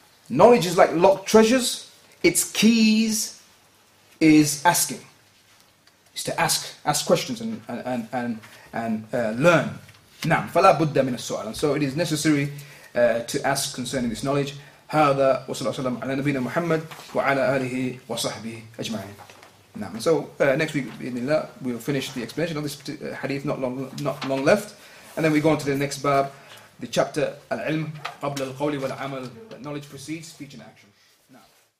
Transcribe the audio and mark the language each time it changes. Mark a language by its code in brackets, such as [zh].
[en] Knowledge is like locked treasures. Its keys is asking. It's to ask questions and learn. [ar] Naam, fala budda min as-su'al. [en] So it is necessary to ask concerning this knowledge. [ar] هذا وصلى الله وسلم على نبينا محمد وعلى آله وصحبه أجمعين [en] Now, so next week, inshallah, we'll finish the explanation of this hadith, not long left. And then we go on to the next bab, the chapter, [ar] Al-Ilm, Qabla Al-Qawli Wal-Amal, [en] that knowledge precedes speech and action. Now.